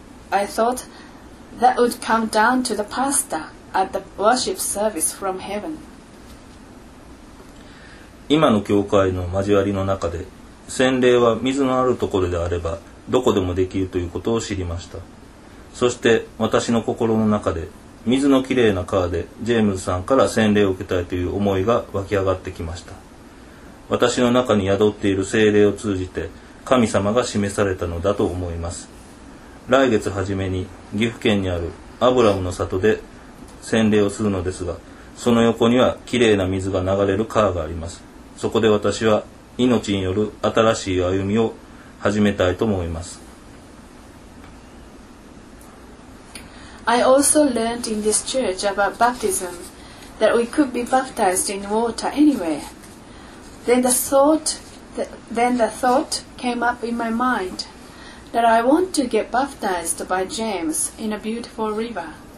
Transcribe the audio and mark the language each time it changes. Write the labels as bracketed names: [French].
[English] I thought that would come down to the pastor at the worship service from heaven. [Japanese] 今の教会の交わりの中で、洗礼は水のあるところであればどこでもできるということを知りました。そして私の心の中で水のきれいな川でジェームズさんから洗礼を受けたいという思いが湧き上がってきました。私の中に宿っている聖霊を通じて神様が示されたのだと思います。来月初めに岐阜県にあるアブラムの里で洗礼をするのですが、その横にはきれいな水が流れる川があります。そこで私は命による新しい歩みを始めたいと思います。 [English] I also learned in this church about baptism, that we could be baptized in water anywhere. Then the thought came up in my mind that I want to get baptized by James in a beautiful river.